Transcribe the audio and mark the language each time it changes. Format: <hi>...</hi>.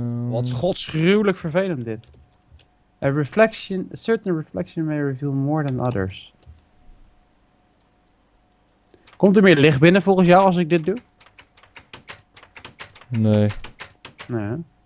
<nl>Wat godsgruwelijk vervelend dit.</nl> <en>A certain reflection may reveal more than others.</en> <nl>Komt er meer licht binnen volgens jou als ik dit doe? Nee. Nee.</nl>